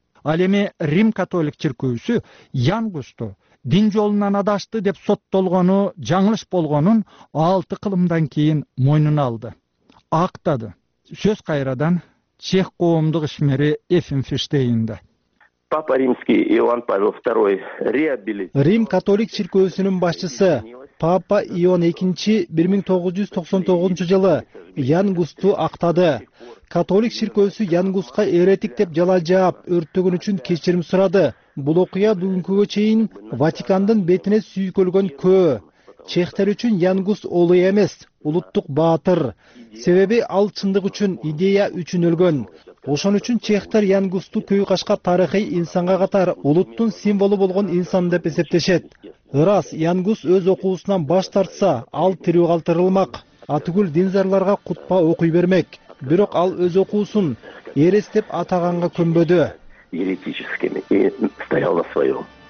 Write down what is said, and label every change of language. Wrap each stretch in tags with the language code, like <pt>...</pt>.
<ky>Ал эми Рим католик чиркөөсү Янгусту дин жолунан адашты деп соттолгону жаңылыш болгонун 6 кылымдан кийин мойнуна алды. Актады. Сөз кайрадан чех коомдук ишмери Эфим Фиштейнде.</ky> <ru>Папа Римский Иоанн Павел II реабилит.</ru> <ky>Рим католик чиркөөсүнүн башчысы Папа Ион II 1999 жылы Янгусту актады. Католик чиркөөсү Янгуска эретик деп жалал жаап, өрттөгөн үчүн кечирим сурады. Бул окуя бүгүнкүгө чейин Ватикандын бетине сүйкөлгөн көө. Чехтер үчүн Янгус олу эмес, улуттук баатыр. Себеби ал чындык үчүн, идея үчүн өлгөн. Ошон үчүн чехтер Янгусту көй кашка тарыхый инсанга катар улуттун символу болгон инсан деп эсептешет. Ырас Янгус өз окуусунан баш тартса, ал тирүү калтырылмак, атүгүл динзарларга кутпа окуй бермек. Бирок ал өз окуусун эрес деп атаганга көнбөдү.</ky> <ru>Еретическими и стоял на своем.</ru>